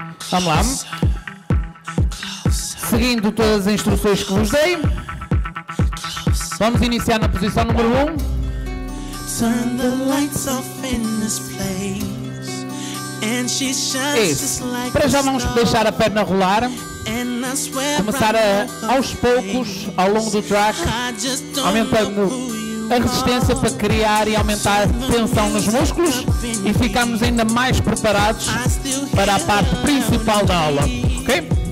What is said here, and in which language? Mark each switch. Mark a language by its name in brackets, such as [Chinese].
[Portuguese] Vamos lá. Seguindo todas as instruções que vos dei, vamos iniciar na posição número 1. [English] Turn the lights off in this place. And she shines just like. [Portuguese] Para já vamos deixar a perna rolar. Começar aos poucos, ao longo do track, aumentando a resistência para criar e aumentar tensão nos músculos e ficarmos ainda mais preparados para a parte principal da aula, ok?